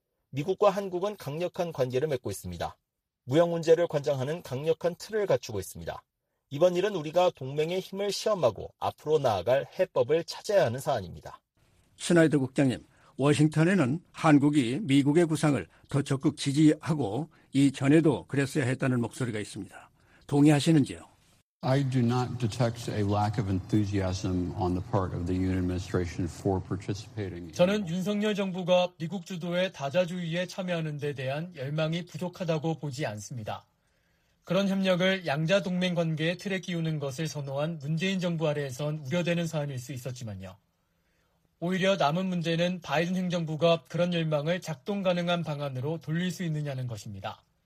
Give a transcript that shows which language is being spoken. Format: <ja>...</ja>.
<ko>미국과 한국은 강력한 관계를 맺고 있습니다. 무역 문제를 관장하는 강력한 틀을 갖추고 있습니다. 이번 일은 우리가 동맹의 힘을 시험하고 앞으로 나아갈 해법을 찾아야 하는 사안입니다. 스나이더 국장님, 워싱턴에는 한국이 미국의 구상을 더 적극 지지하고 이전에도 그랬어야 했다는 목소리가 있습니다. 동의하시는지요?</ko> <en>I do not detect a lack of enthusiasm on the part of the Yoon administration for participating.</en> <ko>저는 윤석열 정부가 미국 주도의 다자주의에 참여하는 데 대한 열망이 부족하다고 보지 않습니다. 그런 협력을 양자 동맹 관계에 틀에 끼우는 것을 선호한 문재인 정부 아래에선 우려되는 사안일 수 있었지만요. 오히려 남은 문제는 바이든 행정부가 그런 열망을 작동 가능한 방안으로 돌릴 수 있느냐는 것입니다.</ko>